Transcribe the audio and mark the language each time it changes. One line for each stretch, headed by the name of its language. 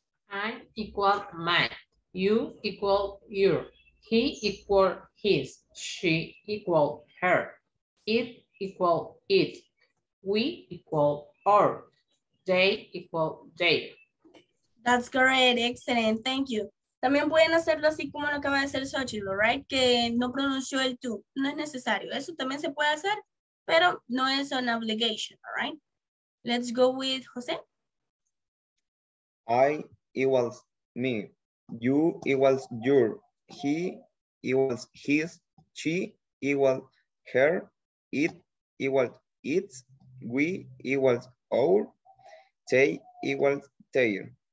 English: I equal my, you equal your, he equal his, she equal her, it equal it, we equal our, they equal they. That's great, excellent, thank you.
Spanish: También pueden hacerlo así como lo acaba de hacer Xochitl, right? Que no pronunció el tú, no es necesario. Eso también se puede hacer, pero no es
English: an obligation, all right? Let's go with Jose. I equals me, you equals your, he equals his, she equals her, it equals its, we equals our, they equals their.